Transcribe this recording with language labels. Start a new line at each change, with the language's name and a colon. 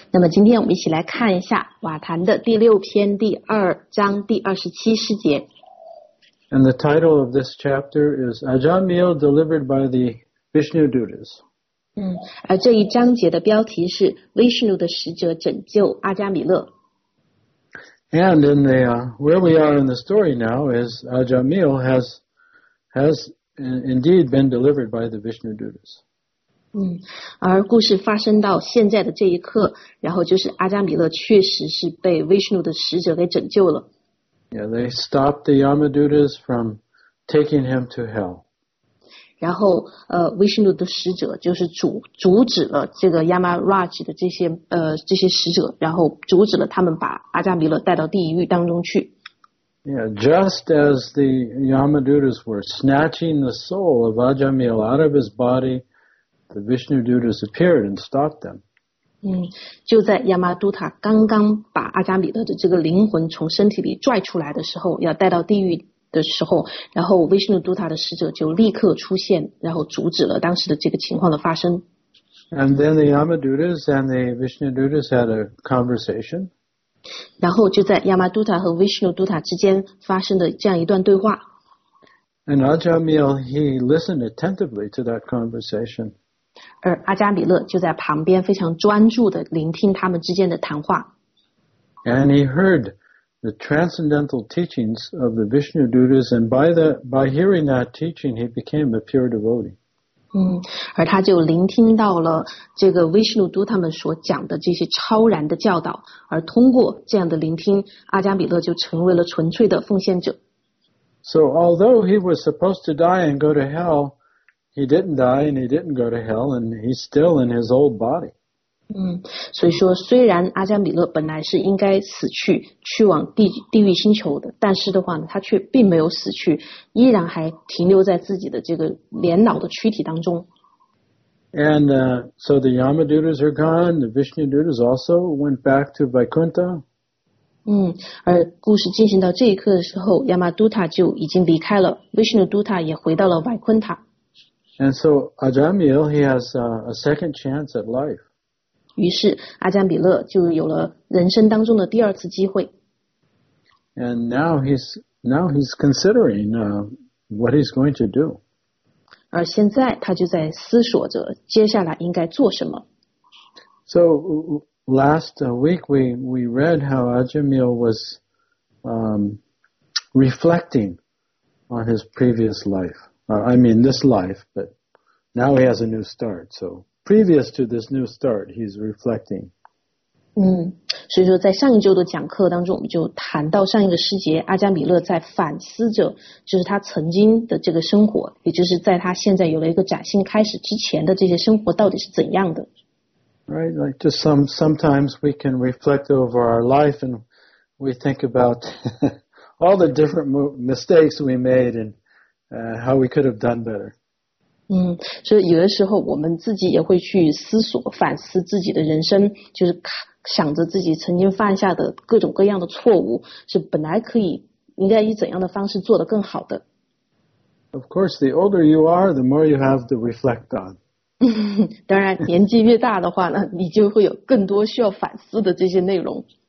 Chinese: 那么今天我们一起来看一下瓦坛的第六篇第二章第二十七诗节。
English: And the title of this chapter is Ajamil Delivered by the Vishnu Dutas.
Chinese: 而这一章节的标题是 Vishnu 的使者拯救阿迦米勒。
English: And in the, where we are in the story now is Ajamil has indeed been delivered by the Vishnu Dutas.
Chinese: 而故事发生到现在的这一刻，然后就是阿迦米勒确实是被 Vishnu 的使者给拯救了。
English: Yeah, they stopped the Yamadutas from taking him to hell.
Chinese: 然后Vishnu 的使者就是阻止了这个 Yamaraj 的这些使者，然后阻止了他们把阿迦弥勒带到地狱当中去。
English: Yeah, just as the Yamadutas were snatching the soul of Ajamil out of his body, the Vishnu Dutas appeared and stopped them.
Chinese: 就在 Yamaduta 刚刚把阿迦弥勒的这个灵魂从身体里拽出来的时候，要带到地狱的时候，然后 Vishnu Dutta 的使者就立刻出现，然后阻止了当时的这个情况的发生。
English: And then the Yamadutas and the Vishnu Dutas had a conversation.
Chinese: 然后就在亚玛杜塔和维什努杜塔之间发生的这样一段对话。
English: And Ajamil, he listened attentively to that conversation.
Chinese: 而阿加米勒就在旁边非常专注地聆听他们之间的谈话。
English: And he heard the transcendental teachings of the Vishnu Dutas, and by hearing that teaching, he became a pure devotee.
Chinese: 而他就聆听到了这个 Vishnu Dutta 们所讲的这些超然的教导，而通过这样的聆听，阿加米勒就成为了纯粹的奉献者。
English: So although he was supposed to die and go to hell, he didn't die and he didn't go to hell, and he's still in his old body.
Chinese: 所以说虽然阿加米勒本来是应该死去，去往地狱星球的，但是的话呢，他却并没有死去，依然还停留在自己的这个年老的躯体当中。
English: And so the Yamadutas are gone, the Vishnudutas also went back to Vaikuntha.
Chinese: 而故事进行到这一刻的时候，亚玛杜塔就已经离开了，维什努杜塔也回到了瓦昆塔。
English: And so Ajamil, he has a second chance at life.
Chinese: 于是阿加米勒就有了人生当中的第二次机会。
English: And now he's considering what he's going to do.
Chinese: 而现在他就在思索着接下来应该做什么。
English: So,Last week we read how Ajamil was reflecting on his previous life. I mean this life, but now he has a new start. So previous to this new start, he's reflecting.
Chinese: 所以说在上一周的讲课当中，我们就谈到上一个时节，阿加米勒在反思着，就是他曾经的这个生活，也就是在他现在有了一个崭新开始之前的这些生活到底是怎样的。
English: Right, like just sometimes we can reflect over our life and we think about all the different mistakes we made and how we could have done better.
Chinese: 所以有的时候我们自己也会去思索反思自己的人生，就是想着自己曾经犯下的各种各样的错误，是本来可以应该以怎样的方式做得更好的。
English: Of course, the older you are, the more you have to reflect on.
Chinese: 当然年纪越大的话呢，你就会有更多需要反思的这些内容。